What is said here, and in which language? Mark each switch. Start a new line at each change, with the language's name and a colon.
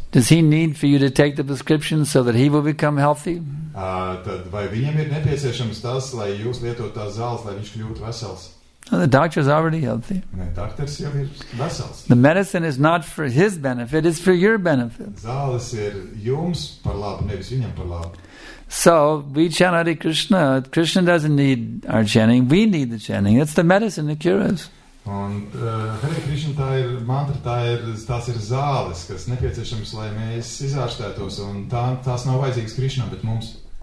English: Does he need for you to take the prescription so that he will become healthy?
Latvian: Tad vai viņam ir nepieciešams tas, lai jūs lietot tās zāles, lai viņš kļūtu vesels?
English: No, the doctor is already healthy. The medicine is not for his benefit, it's for your benefit.
Latvian: Zāles ir jums par labu, nevis viņam par labu.
English: So, we chant Hare Krishna. Krishna doesn't need our chanting, we need the chanting. It's the medicine that cures us.
Latvian: Hare Krishna, tā ir mantra, tās ir zāles, kas nepieciešams, lai mēs izārstētos, un tās nav vajadzīgas Krishna, bet mums.